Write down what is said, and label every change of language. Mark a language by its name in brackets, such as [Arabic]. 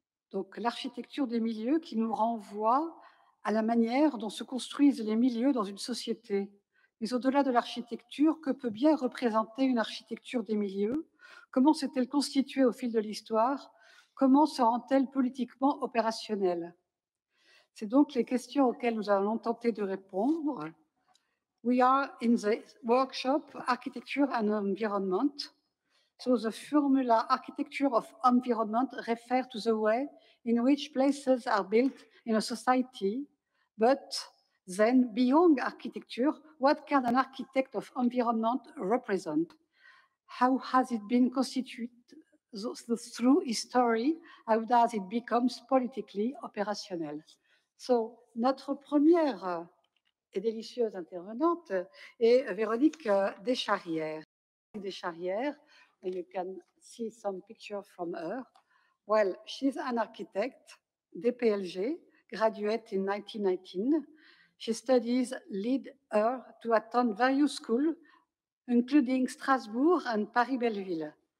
[French] Donc l'architecture des milieux qui nous renvoie à la manière dont se construisent les milieux dans une société. Mais au-delà de l'architecture, que peut bien représenter une architecture des milieux? Comment s'est-elle constituée au fil de l'histoire? Comment se rend-elle politiquement opérationnelle? C'est donc les questions auxquelles nous allons tenter de répondre. [English] We are in the workshop Architecture and Environment. So the formula Architecture of Environment refers to the way in which places are built in a society. But then, beyond architecture, what can an architect of environment represent? How has it been constituted through history? How does it become politically operational? [French] So, notre première et délicieuse intervenante est Véronique Descharrières. [English] Descharrières, and you can see some pictures from her. Well, she's an architect, DPLG, graduate in 1919. She studies lead her to attend various schools, including Strasbourg and Paris-Belleville.